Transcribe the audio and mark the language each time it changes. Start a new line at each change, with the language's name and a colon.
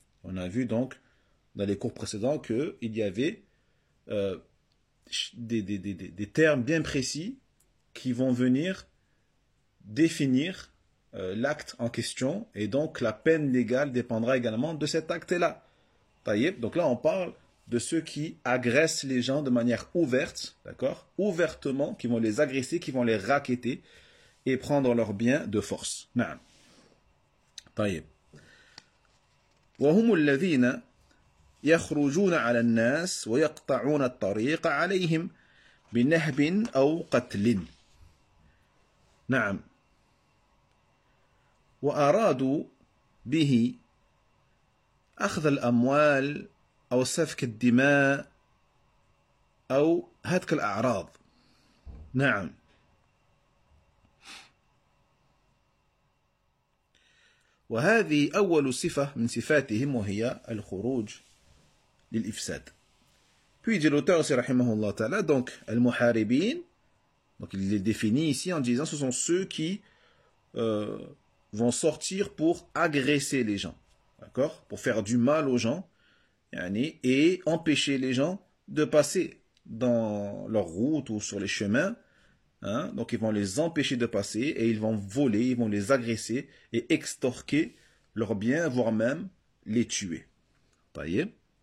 French: On a vu donc dans les cours précédents qu'il y avait des termes bien précis qui vont venir définir l'acte en question, et donc la peine légale dépendra également de cet acte-là. Taïeb, donc là on parle de ceux qui agressent les gens de manière ouverte, d'accord, ouvertement, qui vont les agresser, qui vont les racketter, et prendre leurs biens de force. Naam. طيب.
Arabic: وهم الذين يخرجون على الناس ويقطعون الطريق عليهم بنهب او قتل. نعم. وأرادوا به أخذ الأموال أو سفك الدماء أو هتك الأعراض. نعم. وهذه أول صفة من صفاتهم وهي الخروج للإفساد.
French: Puis dit l'auteur, c'est rahimahullah ta'ala, donc, al-muharibin, donc il les définit ici en disant, ce sont ceux qui vont sortir pour agresser les gens, d'accord, pour faire du mal aux gens, yani, et empêcher les gens de passer dans leur route ou sur les chemins, hein, donc ils vont les empêcher de passer, et ils vont voler, ils vont les agresser, et extorquer leurs biens, voire même les tuer. Voyez.